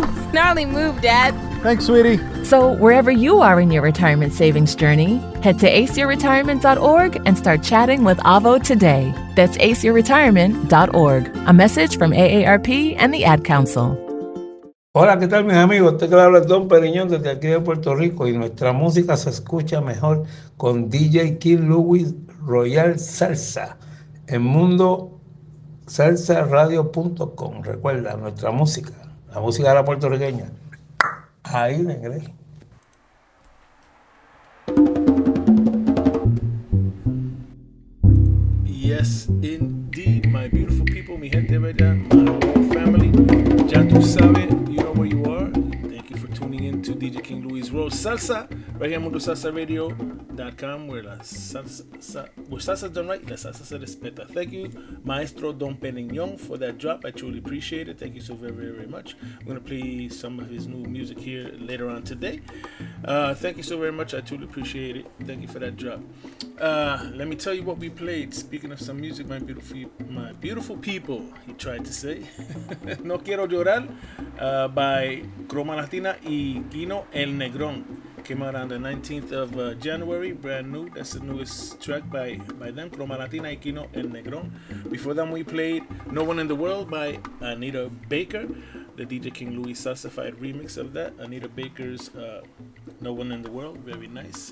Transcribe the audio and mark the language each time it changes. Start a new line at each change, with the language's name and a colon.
English: Snarly move, Dad. Thanks, sweetie. So wherever you are in your retirement savings journey, head to aceyourretirement.org and start chatting with Avo today. That's aceyourretirement.org. A message from AARP and the Ad Council.
Spanish: Hola, ¿qué tal, mis amigos? Te habla Don Periñón desde aquí de Puerto Rico y nuestra música se escucha mejor con DJ King Louis Royal Salsa en mundosalsaradio.com. Recuerda, nuestra música. La música de la puertorriqueña. Ahí, negre.
English: Yes, indeed, my beautiful people,
Spanish: mi gente bella,
English: my whole family.
Spanish: Ya tú sabes,
English: you know where you are. Thank you for tuning in to DJ King Louis World Salsa. Right here, mundosalsaradio.com, where la salsa, where salsa is done right,
Spanish: la salsa se respeta.
English: Thank you, Maestro Don Perignon, for that drop. I truly appreciate it. Thank you so very, very, very much. I'm going to play some of his new music here later on today. Thank you so very much. I truly appreciate it. Thank you for that drop. Let me tell you what we played. Speaking of some music, my beautiful people, he tried to say. No Quiero Llorar by Croma Latina y Kino El Negrón. Came out on the 19th of January, brand new. That's the newest track by them, Croma Latina y Kino El Negrón. Before them, we played No One in the World by Anita Baker, the DJ King Louis Salsified remix of that. Anita Baker's No One in the World, very nice.